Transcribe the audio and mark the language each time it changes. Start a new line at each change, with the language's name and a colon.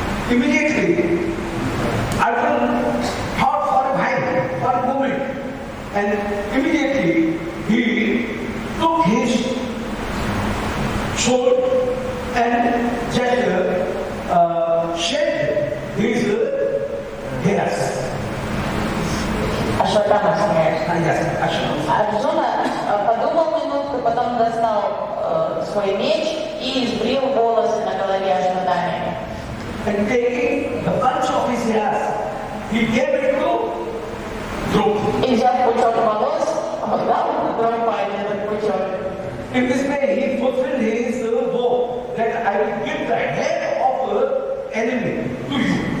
English: Immediately, Arjuna thought for a while, for a moment, and immediately he took his sword and just shed his hairs. Ashwatthama's hairs. Yes, Ashwatthama.
Russian: Arjuna подумал минутку, потом достал свой меч и избрил волосы на голове Ашватами.
English: And taking the bunch of his hairs, he gave it to Draupadi.
Russian: И взял пучок волос, отдал Draupadi этот пучок.
English: In this way, he fulfilled his vow that I will give the head of an enemy to you.